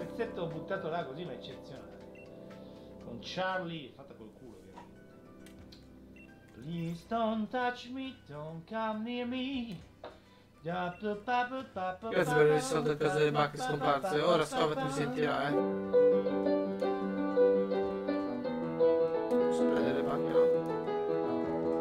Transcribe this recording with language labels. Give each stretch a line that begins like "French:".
Italian: Il setto buttato là così, ma eccezionale. Con Charlie, fatta col culo, ovviamente.
English: Please don't touch me, don't come near me.
Italian: Grazie per aver visto il caso delle bacche scomparse. Ora Scopet mi sentirà, eh. Posso prendere le bacche, no?